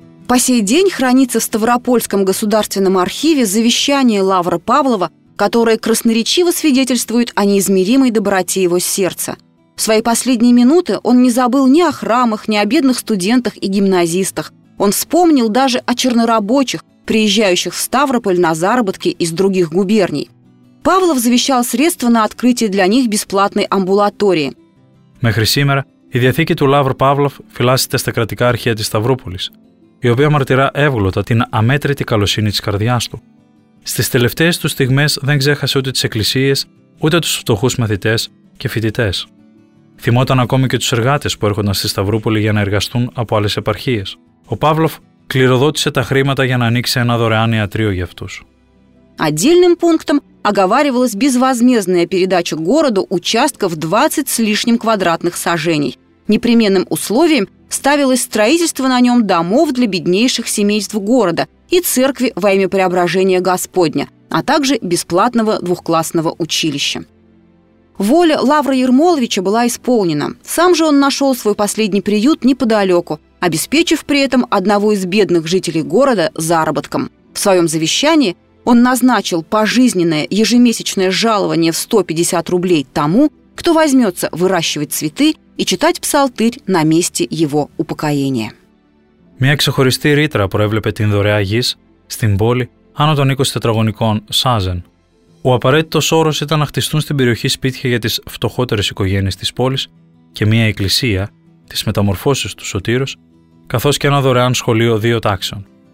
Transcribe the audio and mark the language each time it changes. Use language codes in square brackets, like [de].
[ru] По сей день хранится в Ставропольском государственном архиве завещание Лавра Павлова, которое красноречиво свидетельствует о неизмеримой доброте его сердца. В свои последние минуты он не забыл ни о храмах, ни о бедных студентах и гимназистах. Он вспомнил даже о чернорабочих, приезжающих в Ставрополь на заработки из других губерний. Павлов завещал средства на открытие для них бесплатной амбулатории. [el] Мехри сімера, η διαθήκη του Λαύρ Παύλοφ φυλάσσεται στα κρατικά αρχεία της Σταυρούπολης, η οποία μαρτυρά εύγλωτα την αμέτρητη καλοσύνη της καρδιάς του. Στις τελευταίες του στιγμές δεν ξέχασε ούτε τις εκκλησίες, ούτε τους φτωχούς μαθητές και φοιτητές. Θυμόταν ακόμη και τους εργάτες που έρχονταν στη Σταυρούπολη για να εργαστούν από άλλες επαρχίες. Ο Παύλοφ κληροδότησε τα χρήματα για να ανοίξει ένα δωρεάν ιατρείο για αυτούς. [ru] Отдельным пунктом оговаривалась безвозмездная передача городу участков 20 с лишним квадратных сажений. Непременным условием ставилось строительство на нем домов для беднейших семейств города и церкви во имя преображения Господня, а также бесплатного двухклассного училища. Воля Лавра Ермоловича была исполнена. Сам же он нашел свой последний приют неподалеку, обеспечив при этом одного из бедных жителей города заработком. В своем завещании он назначил пожизненное ежемесячное жалование в 150 рублей тому, кто возьмется выращивать цветы и читать псалтырь на месте его упокоения. [el] Μια ξεχωριστή ρήτρα προέβλεπε την δωρεά γης στην πόλη άνω των 20 τετραγωνικών Σάζεν. Ο απαραίτητος όρος ήταν να χτιστούν στην περιοχή σπίτια για τις φτωχότερες οικογένειες της πόλης και μια εκκλησία της μεταμορφώσεως του Σωτήρος, καθώς και ένα δωρεάν σχολείο δύο τάξεων.